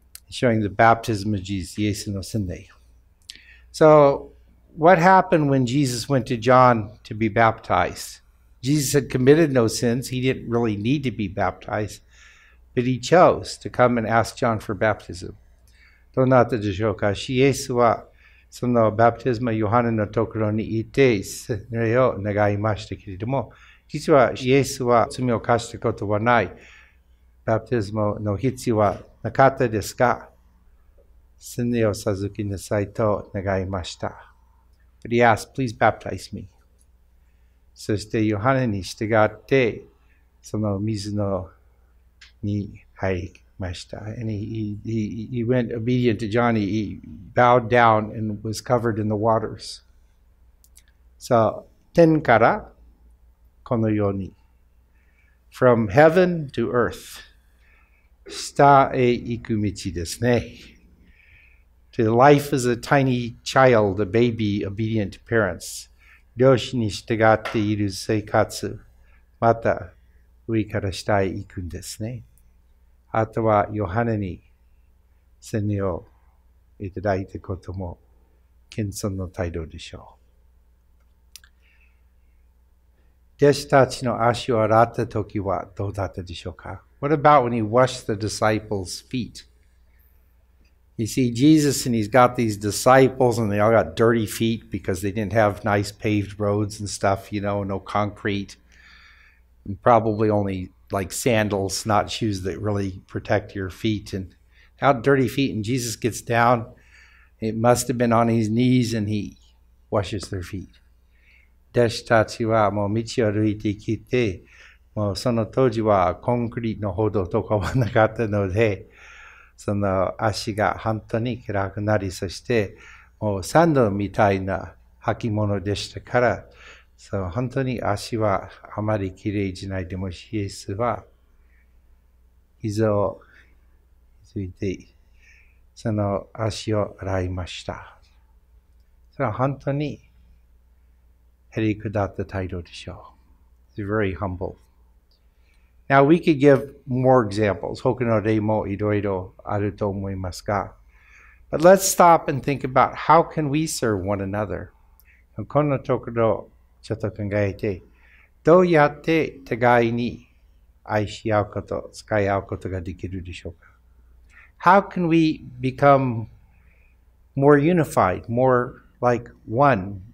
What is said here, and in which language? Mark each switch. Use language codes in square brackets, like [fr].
[en] Showing the baptism of Jesus, Yesu no sinde. So, what happened when Jesus went to John to be baptized? Jesus had committed no sins. He didn't really need to be baptized. But he chose to come and ask John for baptism. [ja] どうなったでしょうか?Yesu はそのバプテスマヨハネのところにいて、洗礼を願いましたけれども、実は Yesu は罪を犯したことはない。バプテスマの必要はなかったですが、洗礼を授けなさいと願いました。 [en] But he asked, please baptize me. [ja] そして、ヨハネに従って、その水のに入りました。 [en] And he went obedient to John. He bowed down and was covered in the waters. [ja] So, 天からこの世に。 [en] From heaven to earth. [ja] 下へ行く道ですね。 [en] To life as a tiny child, a baby, obedient to parents. [ja] 両親に従っている生活。また上から下へ行くんですね。あとはヨハネに洗礼をいただいたことも謙遜の態度でしょう。弟子たちの足を洗ったときはどうだったでしょうか? [en] What about when he washed the disciples' feet? You see, Jesus and he's got these disciples and they all got dirty feet because they didn't have nice paved roads and stuff, you know, no concrete. And probably only like sandals, not shoes that really protect your feet. And how dirty feet, and Jesus gets down. It must have been on his knees and he washes their feet. [ja] 弟子たちはもう道を歩いてきて、もうその当時はコンクリートの歩道とかはなかったので、その足が本当に暗くなり、そしてもうサンドみたいな履物でしたから、その本当に足はあまり綺麗じゃない。でもイエスは膝をついて、その足を洗いました。それは本当にへりくだって態度でしょう。 [en] It's very humble. Now we could give more examples. [ja] 他の例もいろいろあると思いますが。 [en] But let's stop and think about how can we serve one another. [ja] このところちょっと考えて、どうやって互いに愛し合うこと、使い合うことができるでしょうか。 [en] How can we become more unified, more like one?